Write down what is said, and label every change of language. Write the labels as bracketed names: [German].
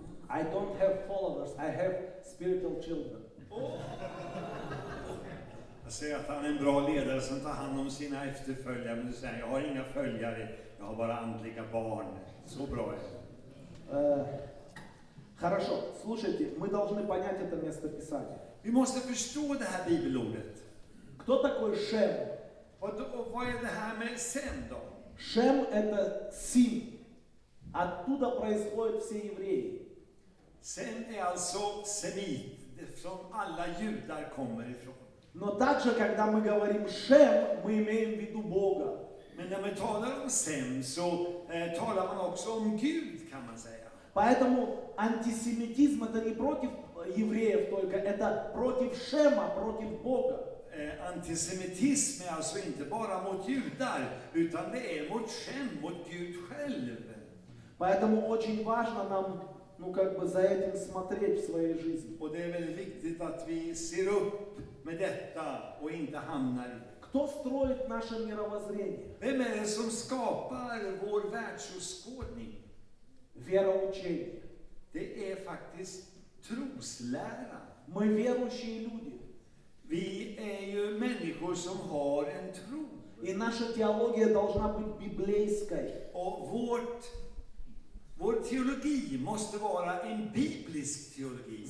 [English] I don't have followers. I have spiritual children. [Swedish] Jag säger att han är en bra ledare som tar hand om sina efterföljare. Men du säger, jag har inga följare. Jag har bara andliga barn. Så bra är [Russian] Хорошо, слушайте, мы должны понять это место Писания. [Swedish] Vi måste förstå det här bibelordet. [Russian] Кто такой Шем? Вот вот это имя Сем, да. Шем это сын. Оттуда происходят все евреи. Сем это семит, [Swedish] som alla judar kommer ifrån. [Russian] Но также, когда мы говорим Шем, мы имеем в виду Бога. [Swedish] Men när vi talar om Sem, så talar man också om Gud, kan man säga. [Russian] Поэтому антисемитизм это не против евреев только, это против Шема, против Бога. [Swedish] Антисемитизм alltså inte bara mot judar, utan det är mot Шем, mot Gud själv. [Russian] Поэтому очень важно нам, ну как бы за этим смотреть в своей жизни. [Swedish] Och det är väldigt viktigt att vi ser upp med detta och inte hamnar. [Russian] Кто строит наше мировоззрение? [Swedish] Vem är det som skapar vår världsåskådning? [Russian] Вероучение. [Swedish] Det är faktiskt troslära. [Russian] Мы верующие люди. [Swedish] Vi är ju människor som har en tro. [Russian] И наша теология должна быть библейской. [Swedish] Och vår teologi måste vara en biblisk teologi.